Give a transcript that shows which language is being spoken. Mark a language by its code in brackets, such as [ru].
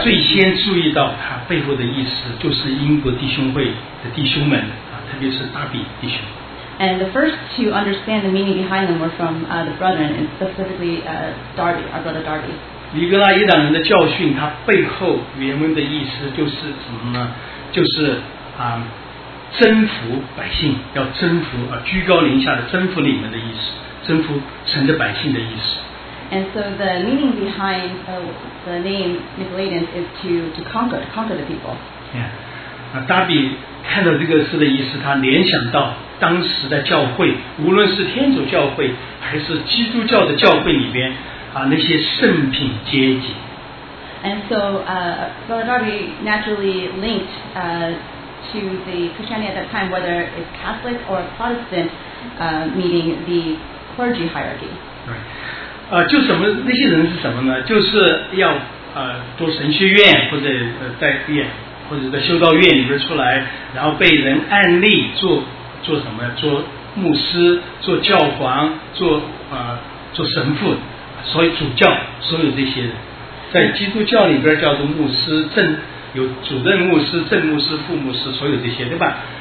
[zh] 最先注意到他背后的意思就是英国弟兄会的弟兄们、啊、特别是大比弟兄 [en] and the first to understand the meaning behind them were from the brethren and specifically Darby, our brother Darby [zh] 尼格拉伊党人的教训他背后原文的意思就是什么呢就是、征服百姓要征服、啊、居高临下的征服你们的意思征服神的百姓的意思 [en] And so the meaning behind the name Nicolaitans is to conquer the people. Yeah. [zh] Darby 看到这个事的意思，他联想到当时的教会，无论是天主教会还是基督教的教会里边啊，那些圣品阶级。 [en] And so Brother Darby naturally linked to the Christianity at that time, whether it's Catholic or Protestant, meaning the clergy hierarchy. Right. [zh] 就什么那些人是什么呢？就是要读神学院或者在院或者在修道院里边出来，然后被人按例做什么？做牧师、做教皇、做做神父，所以主教，所有这些在基督教里边叫做牧师，正有主任牧师、正牧师、副牧师，所有这些，对吧？